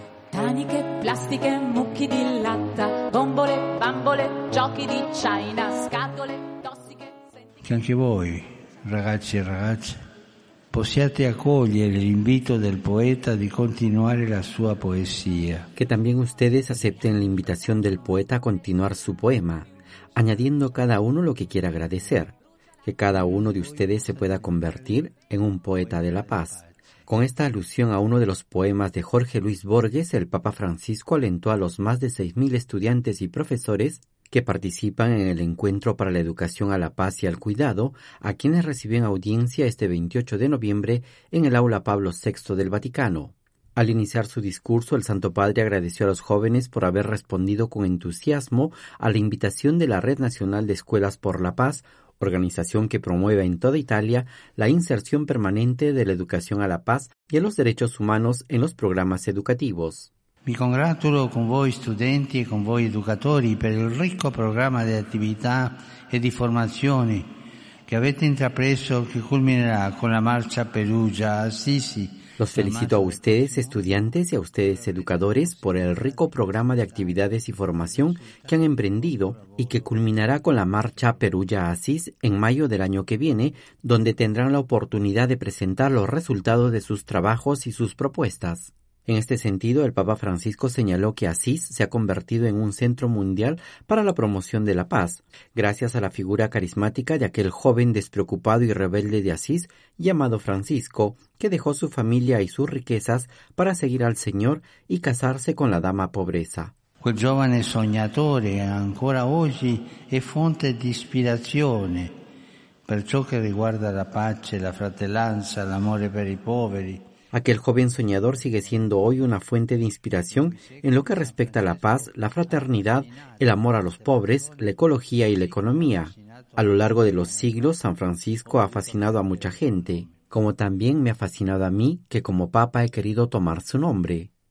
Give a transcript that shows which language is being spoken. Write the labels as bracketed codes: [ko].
[it] Taniche, plastiche, mucchi di latta, bombole, bambole, giochi di china, scatole tossiche. Che anche voi, ragazzi e ragazze, possiate accogliere l'invito del poeta di continuare la sua poesia. [es] Che también ustedes acepten la invitación del poeta a continuar su poema, añadiendo cada uno lo que quiera agradecer. Que cada uno de ustedes se pueda convertir en un poeta de la paz. Con esta alusión a uno de los poemas de Jorge Luis Borges, el Papa Francisco alentó a los más de 6.000 estudiantes y profesores que participan en el Encuentro para la Educación a la Paz y al Cuidado, a quienes reciben audiencia este 28 de noviembre en el Aula Pablo VI del Vaticano. Al iniciar su discurso, el Santo Padre agradeció a los jóvenes por haber respondido con entusiasmo a la invitación de la Red Nacional de Escuelas por la Paz, organización que promueve en toda Italia la inserción permanente de la educación a la paz y a los derechos humanos en los programas educativos. [it] Mi congratulo con voi studenti e con voi educatori per il ricco programma di attività e di formazione che avete intrapreso, che culminerà con la marcia a Perugia, Assisi, [es] Los felicito a ustedes, estudiantes, y a ustedes, educadores, por el rico programa de actividades y formación que han emprendido y que culminará con la marcha Perugia-Assis en mayo del año que viene, donde tendrán la oportunidad de presentar los resultados de sus trabajos y sus propuestas. En este sentido, el Papa Francisco señaló que Assis se ha convertido en un centro mundial para la promoción de la paz, gracias a la figura carismática de aquel joven despreocupado y rebelde de Assis, llamado Francisco, que dejó su familia y sus riquezas para seguir al Señor y casarse con la dama pobreza. [it] Quel giovane sognatore ancora oggi è fonte di ispirazione per ciò che riguarda la pace, la fratellanza, l'amore per i poveri. [es] Aquel joven soñador sigue siendo hoy una fuente de inspiración en lo que respecta a la paz, la fraternidad, el amor a los pobres, la ecología y la economía. A lo largo de los siglos, San Francisco ha fascinado a mucha gente, como también me ha fascinado a mí, que como Papa he querido tomar su nombre.